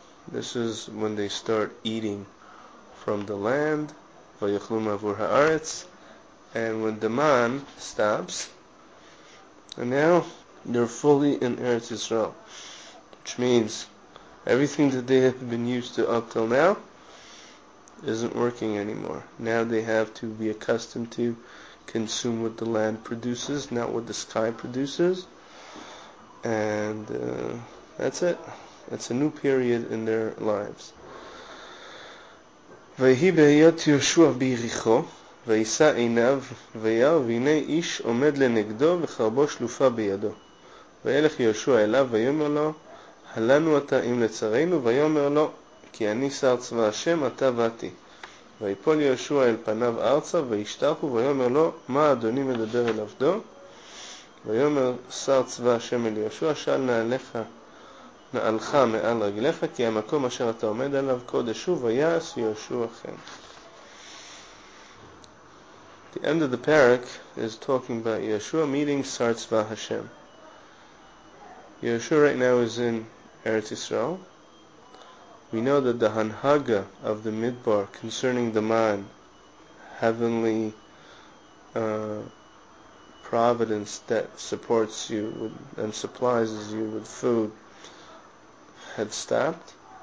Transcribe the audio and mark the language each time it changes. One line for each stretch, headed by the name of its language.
English: This is when they start eating from the land,
Hebrew: Vayachlu Mavur Haaretz,
English: and when the man stops, and now they're fully in Eretz Yisrael, which means everything that they have been used to up till now isn't working anymore. Now they have to be accustomed to consume what the land produces, not what the sky produces. And that's it. That's a new period in their lives.
Hebrew: ויהי בהיות יהושע ביריחו, וישא עיניו, וירא, והנה איש עומד לנגדו, וחרבו שלופה בידו. וילך יהושע אליו, ויאמר לו, הלנו אתה אם לצרינו, ויאמר לו, כי אני שר צבא השם, אתה באתי. ויפול יהושע אל פניו ארצה, וישתחו, ויאמר לו, מה אדוני מדבר אל עבדו? ויאמר שר צבא השם אל יהושע, שאל נעליך. נעלך מעל רגליך, כי המקום אשר אתה עומד עליו קודש הוא, ויעש יהושע כן.
English: The end of the parak is talking about Yeshua meeting Sar Tzva Hashem. Yeshua right now is in Eretz Yisrael. We know that the Hanhaga of the Midbar concerning the man, heavenly providence that supports you with, and supplies you with food, had stopped.